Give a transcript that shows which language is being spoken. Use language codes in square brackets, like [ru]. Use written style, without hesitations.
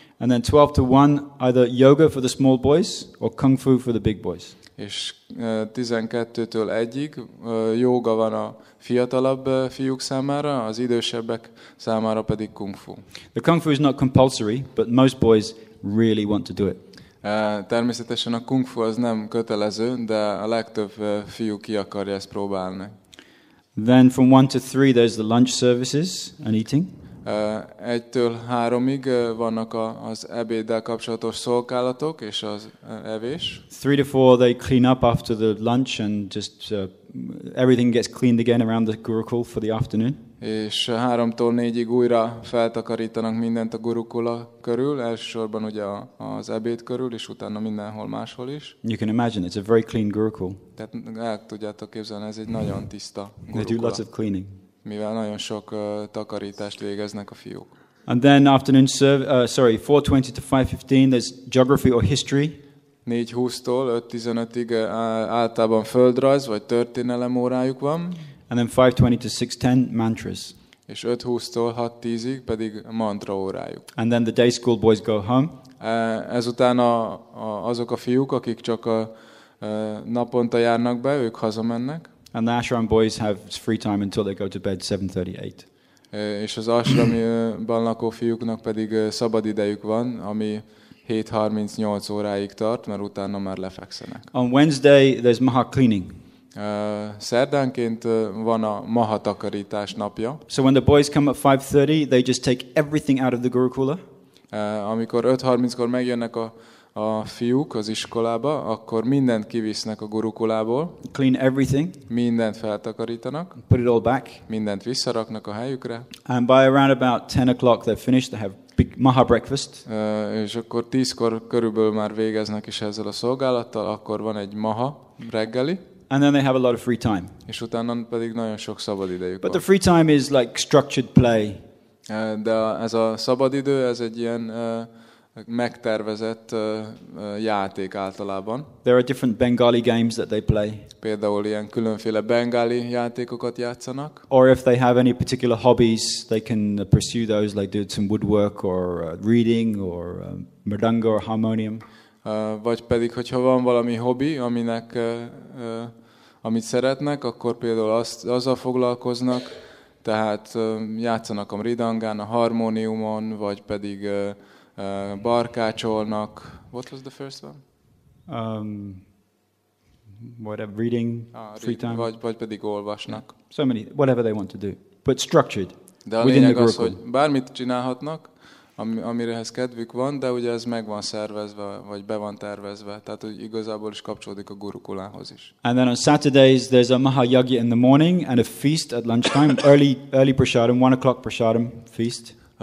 [en] And then 12 to 1 either yoga for the small boys or kung fu for the big boys. [hu] És 12-től 1-ig jóga van a fiatalabb fiúk számára, az idősebbek számára pedig kung fu. [en] The kung fu is not compulsory, but most boys really want to do it. [hu] Természetesen a kung fu az nem kötelező, de a legtöbb fiú ki akarja ezt próbálni. [en] Then from 1 to 3 there's the lunch services and eating. [hu] Egytől háromig vannak az ebéddel kapcsolatos szolgálatok és az evés. [en] 3 to 4 they clean up after the lunch and just everything gets cleaned again around the gurukul for the afternoon. [hu] És 3-tól 4-ig újra feltakarítanak mindent a gurukula körül, elsősorban ugye az ebéd körül, és utána mindenhol máshol is. [en] You can imagine, it's a very clean gurukul. [hu] Tehát el tudjátok képzelni, ez egy nagyon tiszta gurukula. [en] They do lots of cleaning. [hu] Mivel nagyon sok takarítást végeznek a fiúk. [en] And then afternoon service, 4:20 to 5:15, there's geography or history. [hu] 4:20-tól 5:15-ig általában földrajz vagy történelem órájuk van. [en] And then 5:20 to 6:10 mantras. [hu] És 5:20-tól 6:10-ig pedig mantra órájuk. [en] And then the day school boys go home. [hu] Ezután azok a fiúk, akik csak naponta járnak be, ők hazamennek. [en] And the ashram boys have free time until they go to bed 7:38. [hu] És az ashramban lakó fiúknak pedig szabad idejük van, ami 7:38 óráig tart, mert utána már lefekszenek. [en] On Wednesday there's maha cleaning. [hu] Szerdánként van a maha takarítás napja. [en] So when the boys come at 5:30, they just take everything out of the gurukula. [hu] Amikor 5:30-kor megjönnek a fiúk az iskolába, akkor mindent kivisznek a gurukulából. [en] Clean everything. [hu] Mindent feltakarítanak. [en] Put it all back. [hu] Mindent visszaraknak a helyükre. [en] And by around about 10 o'clock they're finished, they have big maha breakfast. [hu] És akkor 10-kor körülbelül már végeznek is ezzel a szolgálattal, akkor van egy maha reggeli. [en] And then they have a lot of free time. [hu] És utána pedig nagyon sok szabad idejük. [en] But the free time is like structured play. [hu] De ez a szabad idő, ez egy ilyen megtervezett játék általában. [en] There are different Bengali games that they play. [hu] Például ilyen különféle bengáli játékokat játszanak. [en] Or if they have any particular hobbies, they can pursue those, like do some woodwork or reading or mridanga or harmonium. [hu] Vagy pedig, hogyha van valami hobbi, aminek, amit szeretnek, akkor például azzal foglalkoznak, tehát játszanak a mridangán, a harmóniumon, vagy pedig barkácsolnak. [en] What was the first one? Whatever, reading, free time. [hu] Vagy pedig olvasnak. [en] Yeah. So many, whatever they want to do. But structured. [hu] De a lényeg az, hogy bármit csinálhatnak, amirehez kedvük van, de ugye ez meg van szervezve, vagy be van tervezve. Tehát hogy igazából is kapcsolódik a gurukulához is. [en] And then on Saturdays there's a mahayagya in the morning and a feast at lunchtime, early prasadam, 1 o'clock prasadam feast.